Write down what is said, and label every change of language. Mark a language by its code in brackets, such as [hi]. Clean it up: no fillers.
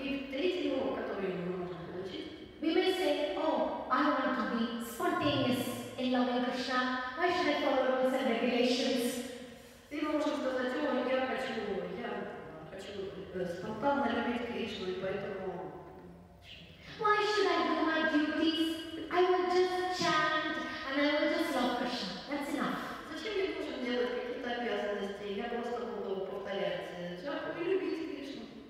[ru] И третий урок, который мы можем получить. [en] We may say, oh, I want to be spontaneous in loving Krishna. Why should I follow rules and regulations? [ru] Ты можешь сказать, о, я хочу спонтанно любить Кришну, и поэтому... [en] Why should I do my duties? I will just chant, and I will just love Krishna. That's enough. [ru] Зачем я должен делать какие-то обязанности? Я просто буду повторять джапу и любить Кришну.